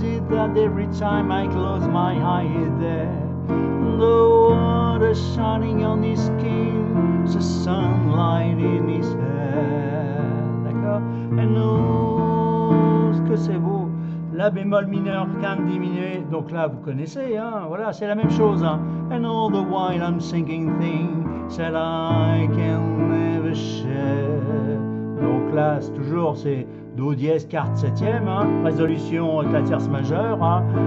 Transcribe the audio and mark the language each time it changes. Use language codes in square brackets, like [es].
[en] That every time I close my eyes there, the water shining on his skin, the sunlight in his hair. [fr] D'accord? Et nous, ce que c'est beau, la bémol mineur, quinte diminuée. Donc là, vous connaissez, hein? Voilà, c'est la même chose. Hein? [en] And all the while I'm singing things that I can never share. [fr] Donc là, c'est toujours, c'est Do dièse, quarte septième, hein, résolution avec la tierce majeure. Hein.